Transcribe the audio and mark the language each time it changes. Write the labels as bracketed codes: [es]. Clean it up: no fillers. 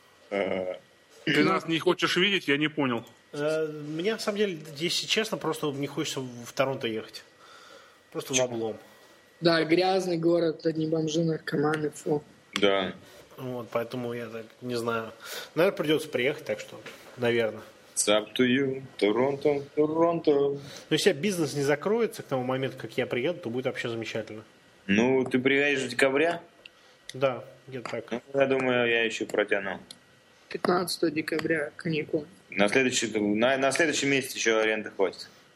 [ru] Ты нас не хочешь видеть, я не понял. Мне, на самом деле, если честно, просто не хочется в Торонто ехать. Просто в облом. Да, грязный город, одни бомжи, наркоманы, фу. Да. Вот, поэтому я так не знаю. Наверное, придется приехать, так что, наверное. [en] It's up to you, Toronto, Toronto. [ru] Ну, если бизнес не закроется к тому моменту, как я приеду, то будет вообще замечательно. Ну, ты приедешь в декабре? Да, где-то так. Ну, я думаю, я еще протяну. 15 декабря каникулы. На следующий месяц еще аренды хватит.